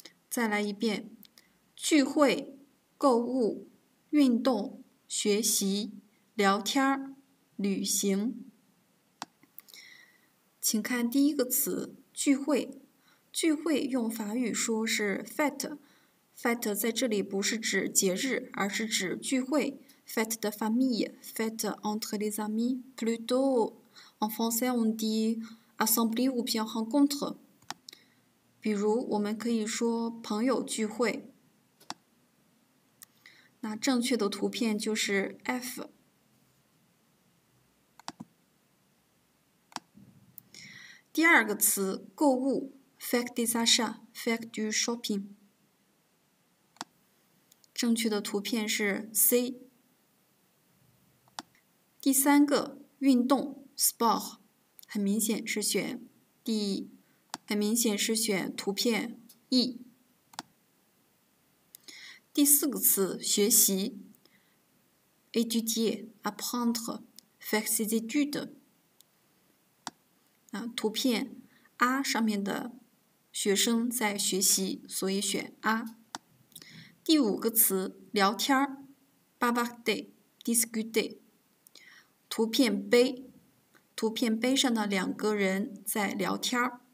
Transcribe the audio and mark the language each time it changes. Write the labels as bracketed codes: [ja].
[zh] 再来一遍：聚会、购物、运动、学习、聊天、旅行。请看第一个词，聚会。聚会用法语说是 fête 在这里不是指节日，而是指聚会。 [fr] fête de famille, fête entre les amis, plutôt en français on dit assemblée ou bien rencontre。 [zh] 比如我们可以说朋友聚会。那正确的图片就是 F。第二个词，购物 ， [fr] faire des achats, faire du shopping。 [zh] 正确的图片是 C。第三个，运动 ，sport， 很明显是选 D， 很明显是选图片 E。第四个词，学习 ， [fr] étudier, apprendre, faire ses études。 [zh] 图片 A 上面的学生在学习，所以选 A。第五个词，聊天 [fr] bavarder, discuter。 [zh] 图片 B， 图片 B 上的两个人在聊天。